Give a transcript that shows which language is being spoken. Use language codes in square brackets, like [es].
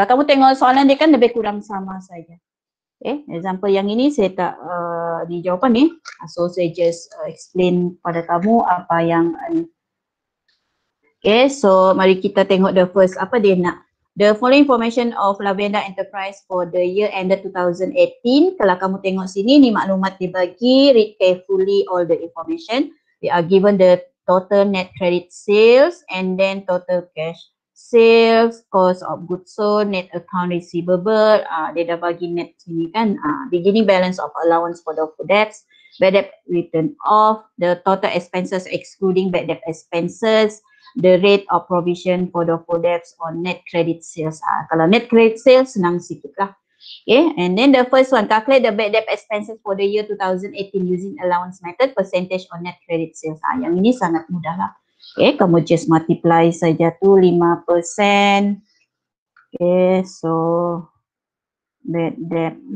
[ms] Kalau kamu tengok soalan dia kan lebih kurang sama saja. Okay, example yang ini saya tak di jawapan ni. So saya [en] just explain [ms] pada kamu apa yang ni. Okay, so mari kita tengok [en] the first [ms] apa dia nak. [en] The following information of Lavenda Enterprise for the year ended 2018. [ms] Kalau kamu tengok sini ni maklumat dibagi, [en] read carefully all the information. They are given the total net credit sales and then total cash sales, cost of goods sold, net account receivable. They [ms] dah bagi [en] net [ms] sini kan. [en] Beginning balance of allowance for doubtful debts, bad debt written off, the total expenses excluding bad debt expenses, the rate of provision for doubtful debts on net credit sales. [ms] Kalau net credit sales senang sikit lah. [en] Okay, and then the first one, calculate the bad debt expenses for the year 2018 using allowance method, percentage on net credit sales. [ms] Yang ini sangat mudah lah. Okay, kamu just multiply saja tu 5%. [en] Okay, so bad debt.